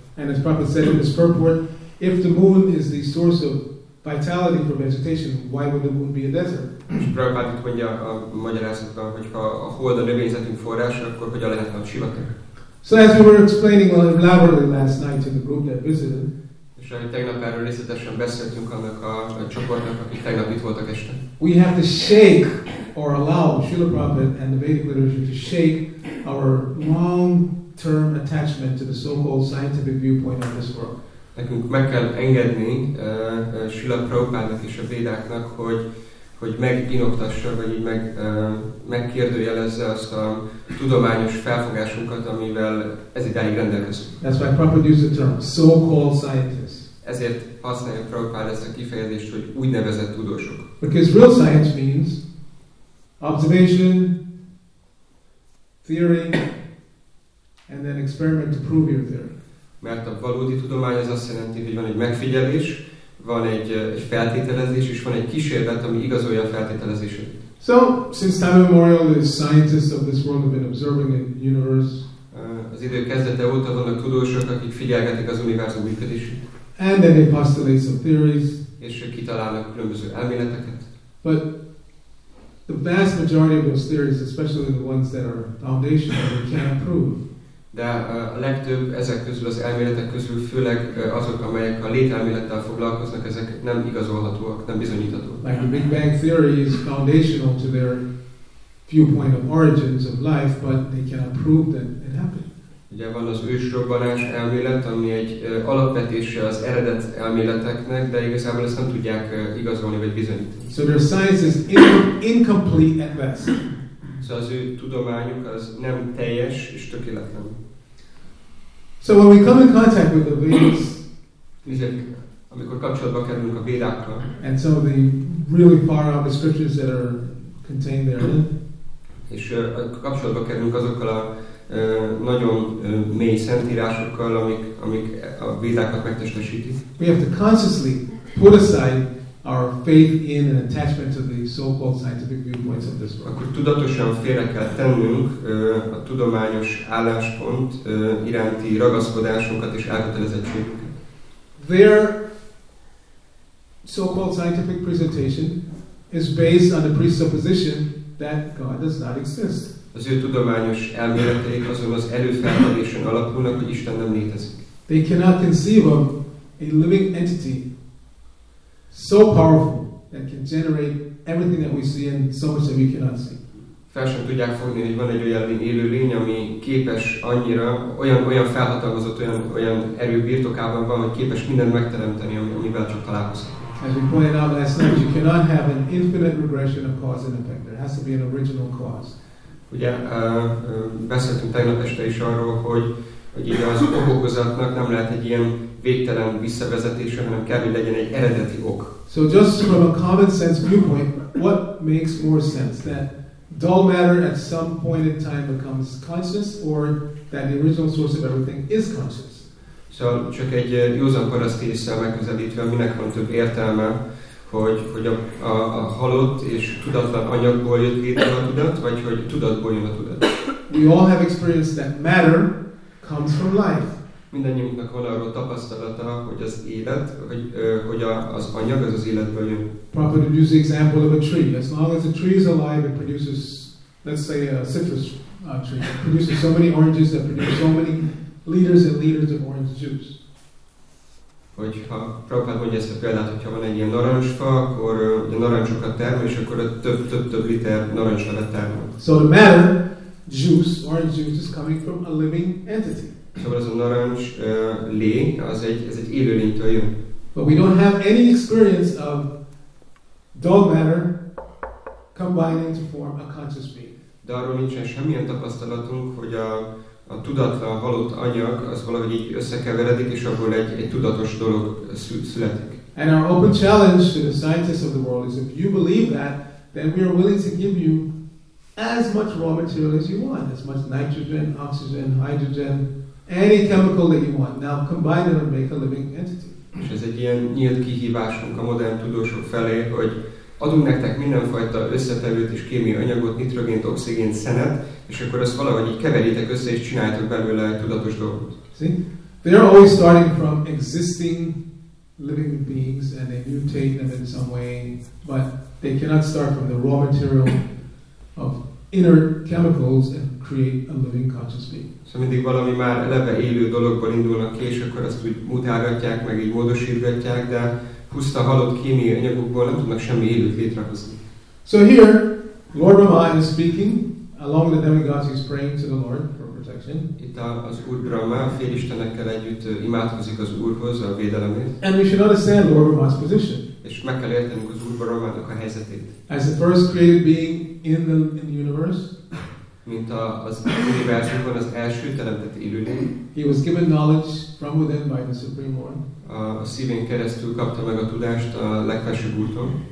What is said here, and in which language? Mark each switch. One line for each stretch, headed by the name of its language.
English: And as Prabhupada said in his purport, if the moon is the source of vitality for vegetation, why would the moon be a desert?
Hungarian: És Prabhupada itt mondja a magyarázatban, hogy ha a hold a növényzetünk forrása, akkor hogyan lehetne a sivatag?
English: So as we were explaining elaborately last night to the group that visited,
Hungarian: és ahogy tegnap erről részletesen beszéltünk annak a csoportnak, akik tegnap itt voltak este.
English: We have to shake or allow Srila Prabhupada and the Vedic literature to shake our long-term attachment to the so-called scientific viewpoint of this world.
Hungarian: Nekünk meg kell engedni Srila Prabhupádnak és a Védáknak, hogy meginoktassa, vagy így megkérdőjelezze azt a tudományos felfogásunkat, amivel ez idáig rendelkezünk.
English: That's why Prabhupada used the term so-called scientists.
Hungarian: Ezért használja Prabhupád ezt a kifejezést, hogy úgynevezett tudósok.
English: Because real science means observation, theory, and then experiment to prove your theory.
Hungarian: Mert a valódi tudomány az azt jelenti, hogy van egy megfigyelés, van egy feltételezés, és van egy kísérlet, ami igazolja a feltételezését.
English: So, since time immemorial, the scientists of this world have been observing the universe.
Hungarian: Az idő kezdete óta vannak tudósok, akik figyelgetik az univerzum működését.
English: And then they postulate some theories.
Hungarian: És kitalálnak különböző elméleteket.
English: But the vast majority of those theories, especially the ones that are foundational, we cannot prove.
Hungarian: De a legtöbb ezek közül, az elméletek közül, főleg azok, amelyek a lételmélettel foglalkoznak, ezek nem igazolhatóak, nem bizonyíthatóak.
English: Like the Big Bang theory is foundational to their viewpoint of origins of life, but they cannot prove that it happened.
Hungarian: Ugye van az ősrobbanás elmélet, ami egy alapvetése az eredet elméleteknek, de igazából ezt nem tudják igazolni vagy bizonyítani.
English: So their science is incomplete at best.
Hungarian: Szóval az ő tudományuk az nem teljes és tökéletlen.
English: So when we come in contact with the Vedas,
Hungarian: amikor kapcsolatba kerülünk a Védákkal,
English: and some of the really far out scriptures that are contained therein,
Hungarian: és kapcsolatba kerülünk azokkal a nagyon mély szentírásokkal, amik a Védákat megtestesítik.
English: We have to consciously put aside our faith in an attachment to the so-called scientific viewpoints of this world.
Hungarian: Akkor tudatosan félre kell tennünk a tudományos álláspont iránti ragaszkodásunkat és elkötelezettségünket.
English: Their so-called scientific presentation is based on the presupposition that God does not exist.
Hungarian: Az ő tudományos elméleteik azon az előfeltevésen alapulnak, hogy Isten nem létezik.
English: They cannot conceive of a living entity so powerful that can generate everything that we see and so much that we cannot see.
Hungarian: Fel sem tudják fogni, hogy van egy olyan élő lény, ami képes annyira, olyan felhatalmazott, olyan erő birtokában van, hogy képes mindent megteremteni, amivel csak találkozhat.
English: As we pointed out last night, you cannot have an infinite regression of cause and effect. There has to be an original cause.
Hungarian: Ugye beszéltünk tegnap este is arról, hogy ugye az okokozatnak nem lehet egy ilyen végtelen visszavezetése, hanem kell, hogy legyen egy eredeti ok.
English: So just from a common sense viewpoint, what makes more sense? That dull matter at some point in time becomes conscious, or that the original source of everything is conscious?
Hungarian: Szóval csak egy józan paraszti észre megközelítve, minek van több értelme, hogy a halott és tudatlan anyagból jött létre a tudat, vagy hogy tudatból jön a tudat.
English: We all have experienced that matter comes from life.
Hungarian: Mindannyiunknak van arról tapasztalata, hogy az élet, hogy az anyag az életből jön.
English: Proper to use the example of a tree. As long as a tree is alive, it produces, let's say, a citrus tree. It produces so many oranges that produce so many liters and liters of orange juice.
Hungarian: Hogyha Prabhupád mondja ezt a példát, hogyha van egy ilyen narancsfa, akkor a narancsokat termel, és akkor a több liter narancsfát termel.
English: So the matter, juice, orange juice is coming from a living entity.
Hungarian: Szóval az a narancs lé, ez egy élő lénytől jön.
English: But we don't have any experience of dull matter combining to form a conscious being.
Hungarian: De arról nincsen semmilyen tapasztalatunk, hogy a tudatlan halott anyag az valahogy így összekeveredik, és abból egy tudatos dolog születik.
English: And our open challenge to the scientists of the world is, if you believe that, then we are willing to give you as much raw material as you want, as much nitrogen, oxygen, hydrogen, any chemical that you want. Now combine them and make a living entity.
Hungarian: És ez egy ilyen nyílt kihívásunk a modern tudósok felé, hogy adunk nektek mindenfajta összetevőt és kémiai anyagot, nitrogént, oxigént, szenet, és akkor ezt valahogy így keveritek össze, és csináljátok belőle egy tudatos dolgot.
English: See? They are always starting from existing living beings, and they mutate them in some way, but they cannot start from the raw material of inert chemicals and create a living conscious being.
Hungarian: Szóval mindig valami már eleve élő dologból indulnak ki, és akkor azt úgy mutálgatják, meg így módosítgatják, de puszta halott kémiai anyagokból nem tudnak semmi élőt létrehozni.
English: So here, Lord Rama is speaking, along with the demigods, he's praying to the Lord for protection.
Hungarian: Itt az Úr Brahma, a félistenekkel együtt imádkozik az Úrhoz, a védelemért.
English: And we should understand Lord Brahma's position.
Hungarian: És meg kell értenünk az Úr Brahmának a helyzetét.
English: As the first created being in the universe,
Hungarian: mint az univerzumban az első teremtett élőlény.
English: He was given knowledge from within by the Supreme Lord.
Hungarian: A szívén keresztül kapta meg a tudást a legfelsőbb úrtól.